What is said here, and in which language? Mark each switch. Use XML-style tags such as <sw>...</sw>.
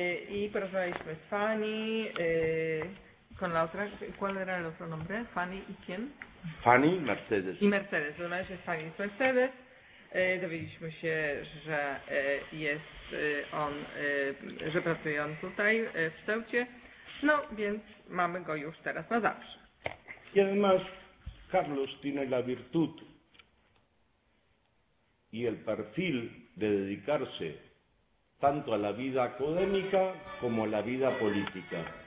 <es>Y</es> <pl>porozmawialiśmy z Fanny,</pl> <es>con la otra, ¿cuál era el otro nombre? Fanny y quién? Fanny Mercedes.</es> <pl>Y Mercedes, rozmawialiśmy z Fanny Mercedes. Dowiedzieliśmy się, że jest on, że pracuje on tutaj w Ceucie. No więc mamy go już teraz na zawsze.</pl> <es>Y además, Carlos tiene la virtud y el perfil de dedicarse tanto a la vida académica como a la vida política.</es>